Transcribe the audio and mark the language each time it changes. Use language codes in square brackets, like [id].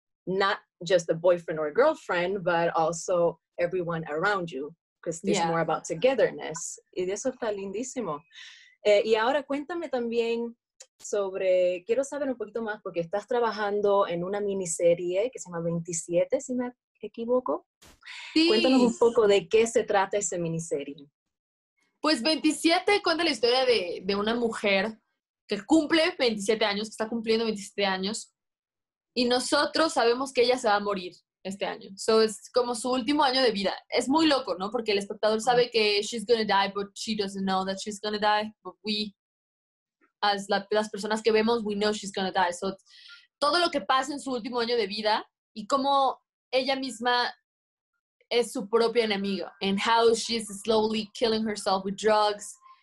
[en] Not just a boyfriend or a girlfriend, but also everyone around you, because it's more about togetherness. [es] Y eso está lindísimo. Y ahora cuéntame también sobre, quiero saber un poquito más, porque estás trabajando en una miniserie que se llama 27, si me equivoco. Sí. Cuéntanos un poco de qué se trata esa miniserie. Pues 27 cuenta la historia de una mujer que cumple 27 años, que está cumpliendo 27 años, y nosotros sabemos que ella se va a morir este año. So, es como su último año de vida. Es muy loco, ¿no? Porque el espectador sabe que [en] she's gonna die, but she doesn't know that she's gonna die. But we, as [es] las personas que vemos, [en] we know she's gonna die. So, [es] todo lo que pasa en su último año de vida y cómo ella misma es su propia enemiga, [en] and how she's slowly killing herself with drugs.